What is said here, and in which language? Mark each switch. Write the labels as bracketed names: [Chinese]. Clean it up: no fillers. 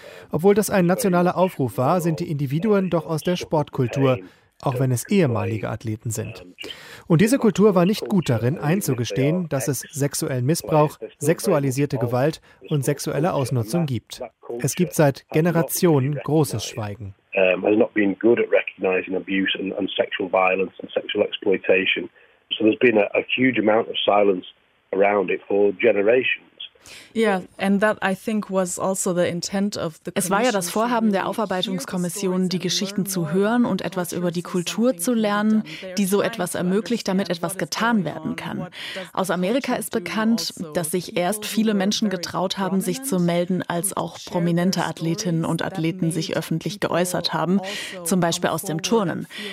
[German] Obwohl das ein nationaler Aufruf war, sind die Individuen doch aus der Sportkultur, auch wenn es ehemalige Athleten sind. Und diese Kultur war nicht gut darin, einzugestehen, dass es sexuellen Missbrauch, sexualisierte Gewalt und sexuelle Ausnutzung gibt. Es gibt seit Generationen großes Schweigen. [English] Has not been good at recognizing abuse and sexual violence and sexual exploitation. So there's been a huge amount of silence around it for generations. [German] Es war ja das Vorhaben der Aufarbeitungskommission, die Geschichten zu hören und etwas über die Kultur zu lernen, die so etwas ermöglicht, damit etwas getan werden kann. Aus Amerika ist bekannt, dass sich erst viele Menschen getraut haben, sich zu melden, als auch prominente Athletinnen und Athleten sich öffentlich geäußert haben, zum Beispiel aus dem Turnen.